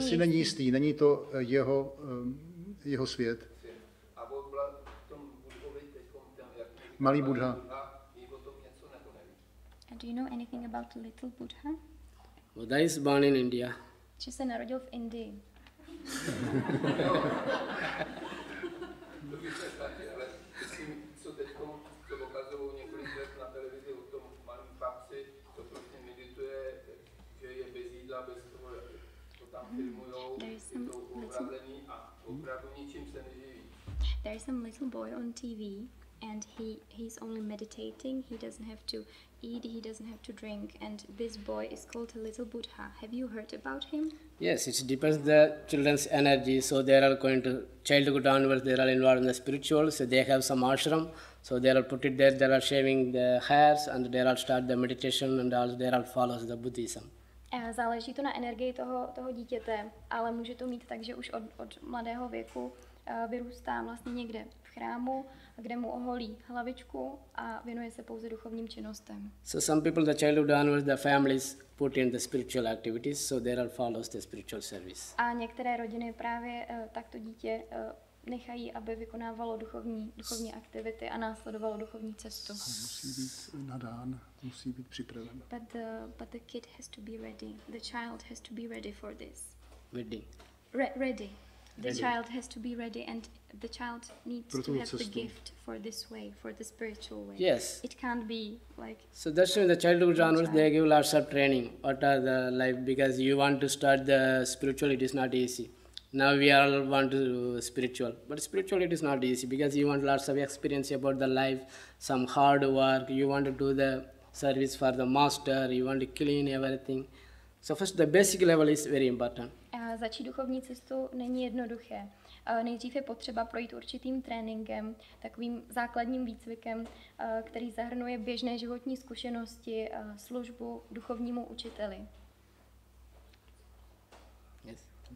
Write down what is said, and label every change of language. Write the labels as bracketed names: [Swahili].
[Czech] Že si není jistý, není to jeho, jeho svět. A on byl v tom Budhovi, teďkom tam jak... Malý Budha. ...o tom něco nebo neví. [English] Do you know anything about little Buddha? Buddha is born in India. [Czech] Že se narodil v Indii. To bych se ztratil, ale myslím, co teďkom to pokazují několik let na televizi o tom malým chlapci, to prostě medituje, že je bez jídla, bez toho, to tam filmujou, je to obrazený a opravdu ničím se neživí. [English] There is some little boy on TV and he's only meditating, he doesn't have to eat, he doesn't have to drink, and this boy is called a little Buddha. Have you heard about him? Yes, it depends the children's energy, so they are going to childhood onwards, they are involved in the spiritual, so they have some ashram, so they are put it there, they are shaving the hairs, and they are start the meditation, and also they are follows the Buddhism. [Czech] Záleží to na energii toho dítěte, ale může to mít tak, že už od mladého věku vyrůstá vlastně někde v chrámu, kde mu oholí hlavičku a věnuje se pouze duchovním činnostem. [English] So some people the childhood onwards the families put in the spiritual activities, so they are follows the spiritual service. [Czech] A některé rodiny právě takto dítě nechají, aby vykonávalo duchovní aktivity a následovalo duchovní cestu. Musí být nadán, musí být připraven. [English] But the kid has to be ready. The child has to be ready for this. Ready. Ready. The ready. Child has to be ready and the child needs to have [Czech] cestu. [English] The gift for this way, for the spiritual way. Yes. It can't be like... So that's when the childhood genres, they give lots of training. What are the life? Because you want to start the spiritual, it is not easy. Now we all want to spiritual. But spiritual, it is not easy because you want lots of experience about the life, some hard work. You want to do the service for the master. You want to clean everything. So first, the basic level is very important. [Czech] Začít duchovní cestu není jednoduché. Nejdřív je potřeba projít určitým tréninkem, takovým základním výcvikem, který zahrnuje běžné životní zkušenosti, službu duchovnímu učiteli. [English] Yes.